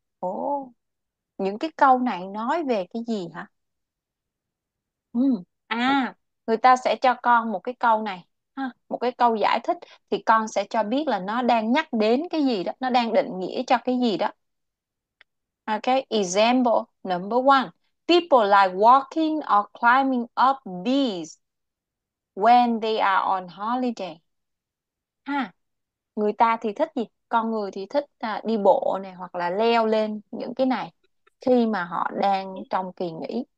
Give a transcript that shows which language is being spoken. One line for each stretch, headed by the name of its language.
Vietnamese: Oh, những cái câu này nói về cái gì hả? À, người ta sẽ cho con một cái câu này. Một cái câu giải thích thì con sẽ cho biết là nó đang nhắc đến cái gì đó, nó đang định nghĩa cho cái gì đó.
English: Ok, example number one. People like walking or climbing up these when they are on holiday.
Vietnamese: Người ta thì thích gì? Con người thì thích đi bộ này hoặc là leo lên những cái này khi mà họ đang trong kỳ nghỉ.